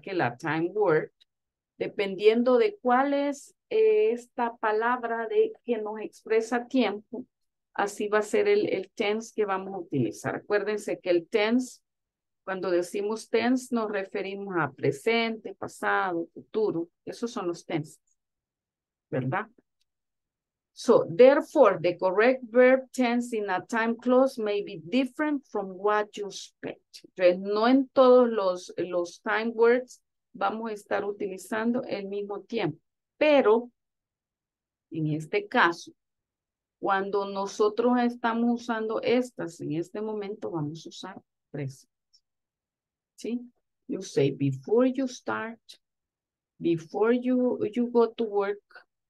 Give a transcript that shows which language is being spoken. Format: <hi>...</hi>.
<es>Que la time word, dependiendo de cuál es esta palabra de que nos expresa tiempo, así va a ser el tense que vamos a utilizar. Acuérdense que el tense, cuando decimos tense, nos referimos a presente, pasado, futuro. Esos son los tenses, ¿verdad?</es> <en>So, therefore, the correct verb tense in a time clause may be different from what you expect.</en> <es>Entonces, no en todos los time words vamos a estar utilizando el mismo tiempo. Pero, en este caso, cuando nosotros estamos usando estas, en este momento vamos a usar presente. ¿Sí?</es> <en>You say before you start, before you go to work.</en>